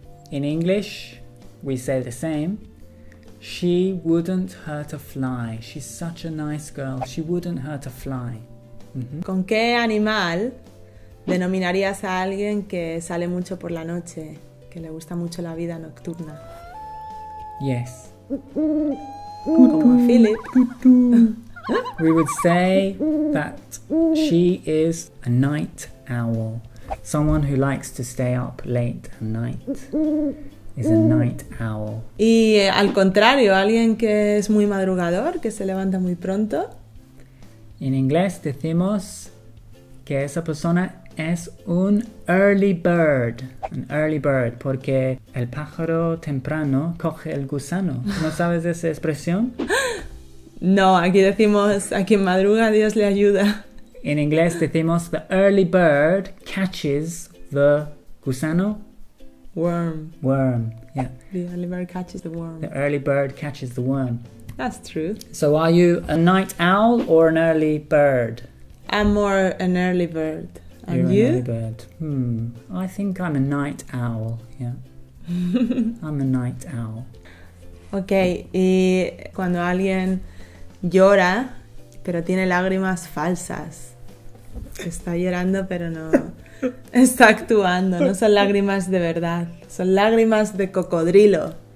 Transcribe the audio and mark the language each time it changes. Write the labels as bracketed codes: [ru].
[en] In English, we say the same. She wouldn't hurt a fly. She's such a nice girl. She wouldn't hurt a fly. Mm-hmm. [es] ¿Con qué animal denominarías a alguien que sale mucho por la noche, que le gusta mucho la vida nocturna? [en] Yes. [es] Como Philip. [en] We would say that she is a night owl. Someone who likes to stay up late at night. Is a night owl. [es] Y al contrario, alguien que es muy madrugador, que se levanta muy pronto. En inglés decimos que esa persona es un early bird. [en] An early bird, [es] porque el pájaro temprano coge el gusano. ¿No sabes esa expresión? No, aquí decimos a quien madruga Dios le ayuda. En inglés decimos [en] the early bird catches the gusano. Worm. Worm, yeah. The early bird catches the worm. The early bird catches the worm. That's true. So are you a night owl or an early bird? I'm more an early bird. And you're you? You're an early bird. I think I'm a night owl, yeah. I'm a night owl. [es] Okay, y cuando alguien llora, pero tiene lágrimas falsas. Está llorando, pero no... Está actuando, no son lágrimas de verdad, son lágrimas de cocodrilo.